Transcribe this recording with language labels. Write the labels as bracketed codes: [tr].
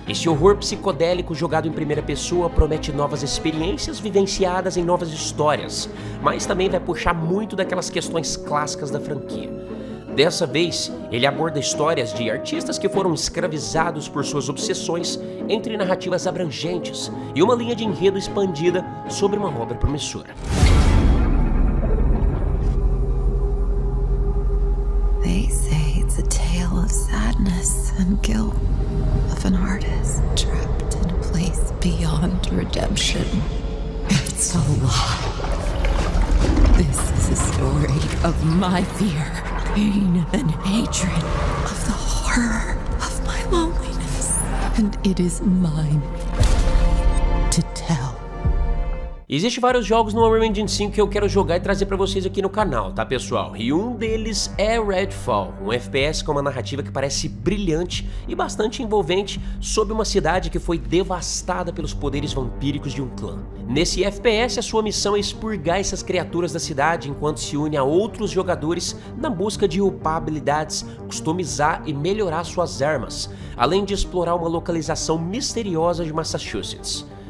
[pt] Esse horror psicodélico jogado em primeira pessoa promete novas experiências vivenciadas em novas histórias, mas também vai puxar muito daquelas questões clássicas da franquia. Dessa vez, ele aborda histórias de artistas que foram escravizados por suas obsessões entre narrativas abrangentes e uma linha de enredo expandida sobre uma obra promissora. [en] They say it's a tale of sadness and guilt, of an artist trapped in a place beyond redemption. It's a lie. This is a story of my fear. Pain and hatred, of the horror of my loneliness, and it is mine to tell. [pt] Existem vários jogos no Unreal Engine 5 que eu quero jogar e trazer pra vocês aqui no canal, tá pessoal? E um deles é Redfall, um FPS com uma narrativa que parece brilhante e bastante envolvente sobre uma cidade que foi devastada pelos poderes vampíricos de um clã. Nesse FPS, a sua missão é expurgar essas criaturas da cidade enquanto se une a outros jogadores na busca de upar habilidades, customizar e melhorar suas armas, além de explorar uma localização misteriosa de Massachusetts.